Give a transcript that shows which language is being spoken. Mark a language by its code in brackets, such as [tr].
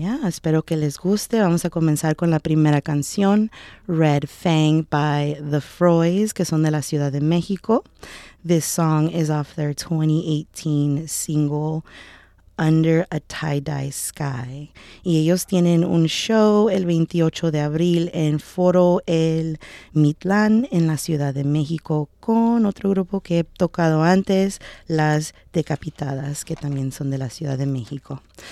[es] Espero que les guste. Vamos a comenzar con la primera canción, Red Fang by The Froys, que son de la Ciudad de México. [en] This song is off their 2018 single, Under a Tie-Dye Sky. [es] Y ellos tienen un show el 28 de abril en Foro El Mitlán en la Ciudad de México con otro grupo que he tocado antes, Las Decapitadas, que también son de la Ciudad de México.